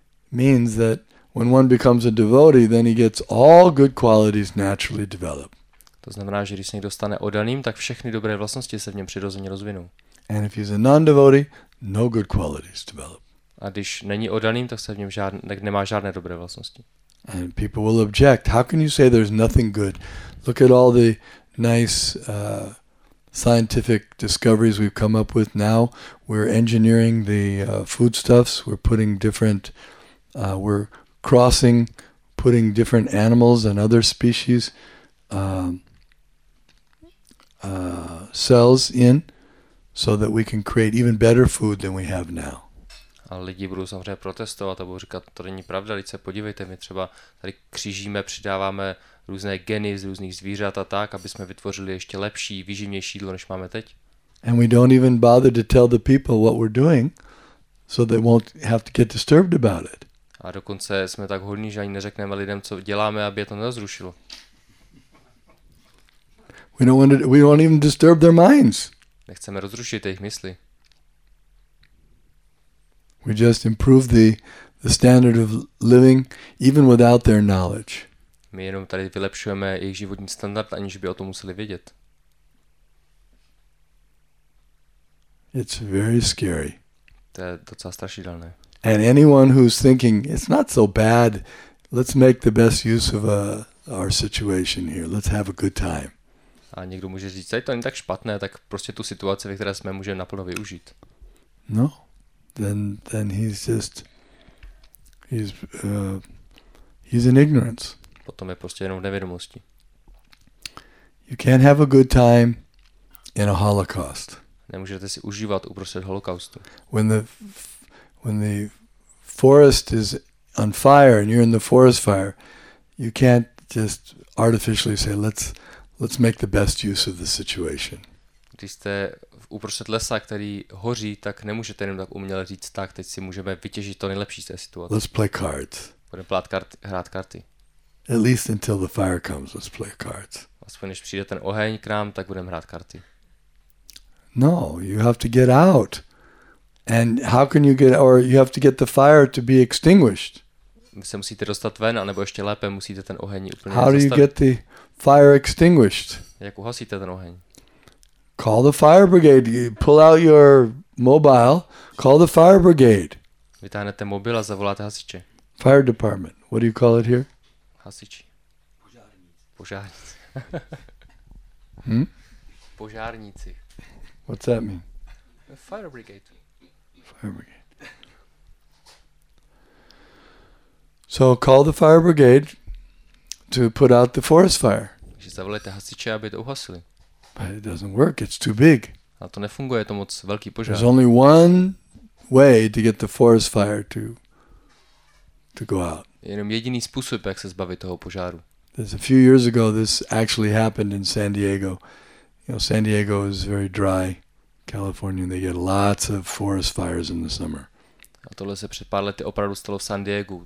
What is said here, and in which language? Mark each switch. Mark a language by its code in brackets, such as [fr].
[en] Means that when one becomes a devotee, then he gets all good qualities naturally developed. [cs] To znamená, že když se někdo stane oddaným, tak všechny dobré vlastnosti se v něm přirozeně rozvinou. [en] And if he's a non-devotee, no good qualities develop. [cs] A když není oddaným, tak se v něm tak nemá žádné dobré vlastnosti. [en] And people will object. How can you say there's nothing good? Look at all the nice scientific discoveries we've come up with now. We're engineering the foodstuffs. We're putting different, we're crossing, putting different animals and other species. Cells in so that we can create even better food than we have now. [cs] A lidi budou samozřejmě protestovat a budou říkat, to není pravda, lidi se podívejte, my třeba tady křížíme, přidáváme různé geny z různých zvířat a tak, aby jsme vytvořili ještě lepší, výživnější jídlo, než máme teď. [en] And we don't even bother to tell the people what we're doing so they won't have to get disturbed about it. [cs] A dokonce jsme tak hodní, že ani neřekneme lidem, co děláme, aby je to nezrušilo. [en] We don't even disturb their minds. [cs] Nechceme rozrušit jejich mysli. [en] We just improve the standard of living even without their knowledge. [cs] My jenom tady vylepšujeme jejich životní standard, aniž by o tom museli vědět. [en] It's very scary. [cs] To je docela strašidelné. [en] And anyone who's thinking it's not so bad, let's make the best use of our situation here. Let's have a good time. [cs] A někdo může říct, že to není tak špatné, tak prostě tu situaci, ve které jsme, můžeme naplno využít. [en] No, then he's just, he's in ignorance. [cs] potom je prostě jenom v nevědomosti. [en] You can't have a good time in a holocaust. [cs] Nemůžete si užívat uprostřed holokaustu. [en] When the forest is on fire and you're in the forest fire, you can't just artificially say let's make the best use of the situation. [cs] Když jste uprostřed lesa, který hoří, tak nemůžete jenom tak uměle říct tak, teď si můžeme vytěžit to nejlepší z té situace. [en] Let's play cards. [cs] Budeme plát karty, hrát karty. [en] At least until the fire comes, let's play cards. [cs] Aspoň než přijde ten oheň k nám, tak budeme hrát karty. [en] No, you have to get out. And how can you get, or you have to get the fire to be extinguished. [cs] Vy se musíte dostat ven, anebo ještě lépe musíte ten oheň úplně zastavit. [en] How do you get the fire extinguished? [cs] Jak uhasíte ten oheň? [en] Call the fire brigade. Pull out your mobile. Call the fire brigade. [cs] Vytáhnete mobil a zavoláte hasiče. [en] Fire department. What do you call it here? [cs] Hasiči. Požárníci. Požárníci. [en] What's that mean? Fire brigade. Fire brigade. So call the fire brigade to put out the forest fire. [cs] Takže zavolejte hasiče, aby to uhasili. [en] But it doesn't work. It's too big. [cs] A to nefunguje, to moc velký požár. [en] There's only one way to get the forest fire to go out. [cs] Jenom jediný způsob, jak se zbavit toho požáru. [en] There's a few years ago this actually happened in San Diego. You know, San Diego is very dry, California, and they get lots of forest fires in the summer. [cs] A tohle se před pár lety opravdu stalo v San Diego.